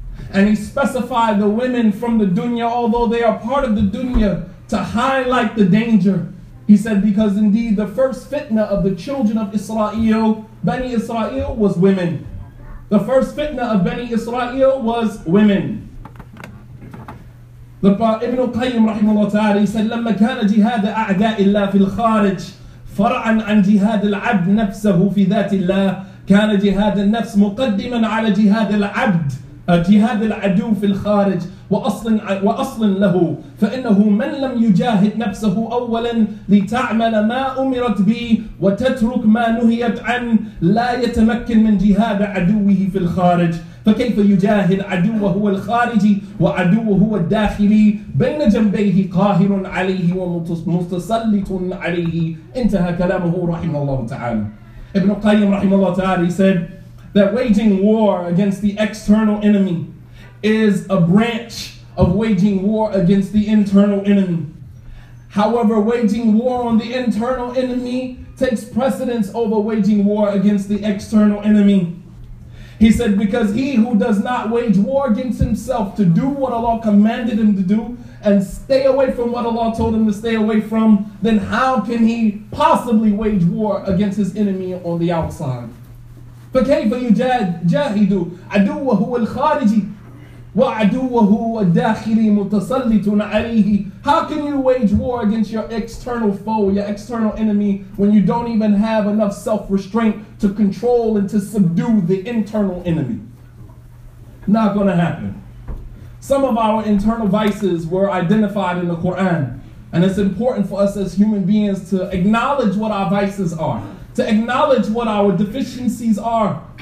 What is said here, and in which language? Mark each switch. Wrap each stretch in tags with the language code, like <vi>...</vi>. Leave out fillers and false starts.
<en>And he specified the women from the dunya, although they are part of the dunya, to highlight the danger. He said, because indeed the first fitna of the children of Israel, Bani Israel, was women. The first fitna of Bani Israel was women. The Ibn Qayyim rahimahullah ta'ala, he said,</en> <ar>لَمَّا كَانَ جِهَادَ أَعْدَاءِ اللَّهِ فِي الْخَارِجِ فَرَعًا عَنْ جِهَادِ الْعَبْدِ نَفْسَهُ فِي ذَاتِ اللَّهِ كَانَ جِهَادَ النَّفْسِ مُقَدِّمًا عَلَى جِهَادِ الْعَبْدِ جهاد العدو في الخارج وأصل له فإنه من لم يجاهد نفسه أولا لتعمل ما أمرت به وتترك ما نهيت عنه لا يتمكن من جهاد عدوه في الخارج فكيف يجاهد عدوه الخارجي وعدوه هو الداخلي بين جنبيه قاهر عليه ومتسلط عليه انتهى كلامه رحمه الله تعالى. ابن قيم رحمه الله تعالى</ar> <en>said that waging war against the external enemy is a branch of waging war against the internal enemy. However, waging war on the internal enemy takes precedence over waging war against the external enemy. He said, because he who does not wage war against himself to do what Allah commanded him to do and stay away from what Allah told him to stay away from, then how can he possibly wage war against his enemy on the outside?</en> <ar>فكيف يجاهد عدوه الخارجي وعدوه الداخلي متسلط عليه.</ar> <en>How can you wage war against your external foe, your external enemy, when you don't even have enough self-restraint to control and to subdue the internal enemy? Not gonna happen. Some of our internal vices were identified in the Quran, and it's important for us as human beings to acknowledge what our vices are, to acknowledge what our deficiencies are.</en>